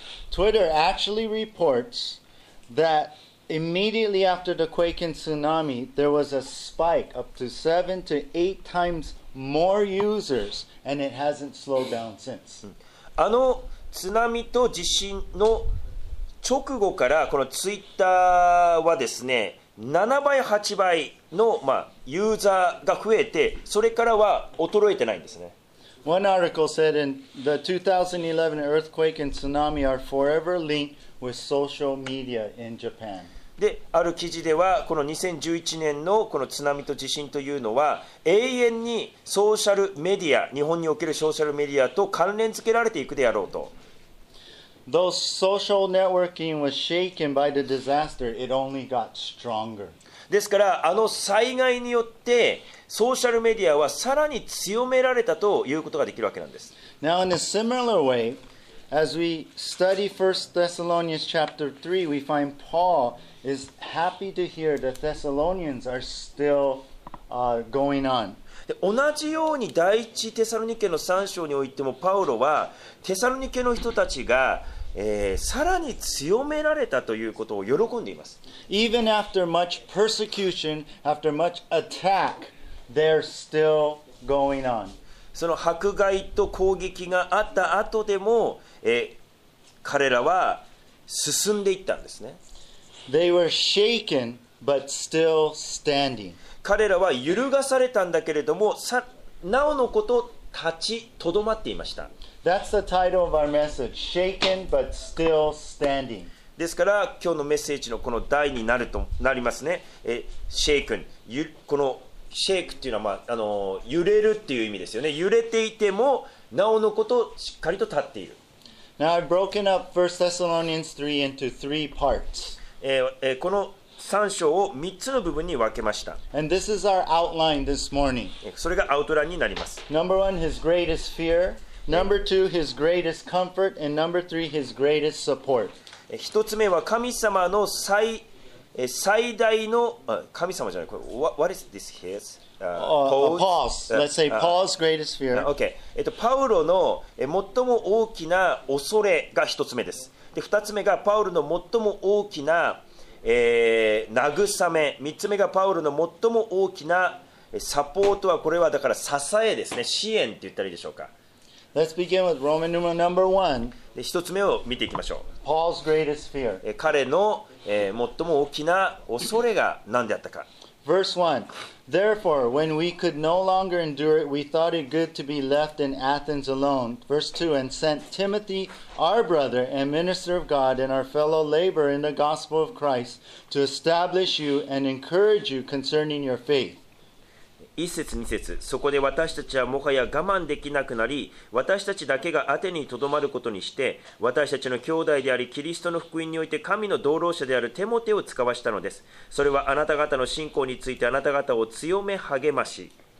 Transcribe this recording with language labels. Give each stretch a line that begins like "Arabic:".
English: Twitter actually reports that immediately after the quake and tsunami, there was a spike up to 7 to 8 times more users, and it hasn't slowed down since.
Japanese: あの津波と地震の直後からこのツイッターはですね、7倍8倍のユーザーが増えて、それからは衰えてないんですね。
English: One article said in the 2011 earthquake and tsunami are forever linked with social media in Japan.
Japanese: である記事ではこの2011年のこの津波と地震というのは永遠にソーシャルメディア、日本におけるソーシャルメディアと関連付けられていくであろうと。
English: Though social networking was shaken by the disaster, it only got stronger.
Japanese: ですからあの災害によってソーシャルメディアはさらに強められたということができるわけなんです。
English: Now in a similar way, as we study 1 Thessalonians chapter 3, we find PaulIs happy to hear the Thessalonians are still going on.
Japanese: 同じように第一テサロニケの3章においてもパウロはテサロニケの人たちが、さらに強められたということを喜んでいます。
English: Even after much persecution, after much attack, they're still going on.
Japanese: その迫害と攻撃があった後でも、彼らは進んでいったんですね。
English: They were shaken, but still standing.
Japanese: 彼らは揺るがされたんだけれども、なおのこと立ちとどまっていました。
English: That's the title of our message, Shaken, but still standing.
Japanese: ですから、今日のメッセージのこの題になるとなりますね。
English: Shaken。
Japanese: この Shake っていうのは、揺れるっていう意味ですよね。揺れていても、なおのことしっかりと立っている。
English: Now I've broken up 1 Thessalonians 3 into 3 parts.
Japanese: この3章を3つの部分に分けました。
English: And this is our outline this morning.
Japanese: それがアウトラインになります。
English: Number one, his greatest fear. Number two, his greatest comfort. And number three, his greatest support.
Japanese: 一つ目は神様の最大の神様じゃない、これ
English: What is this here? Paul's Let's say Paul's greatest fear. Okay.
Japanese: パウロの最も大きな恐れが一つ目です。で、二つ目がパウロの最も大きな、慰め、三つ目がパウロの最も大きなサポートは、これはだから支えですね、支援って言ったらいいでしょうか。
English: Let's begin with Roman numeral number one.
Japanese: 一つ目を見ていきましょう。
English: Paul's greatest fear.
Japanese: 彼の、最も大きな恐れが何であったか。
English: Verse 1. Therefore, when we could no longer endure it, we thought it good to be left in Athens alone. Verse 2. And sent Timothy, our brother and minister of God and our fellow laborer in the gospel of Christ, to establish you and encourage you concerning your faith.
Japanese: 一節二節。そこで私たちはもはや我慢できなくなり、私たちだけがアテネにとどまることにして、私たちの兄弟でありキリストの福音において神の道路者であるテモテを使わしたのです。それはあなた方の信仰についてあなた方を強め励まし。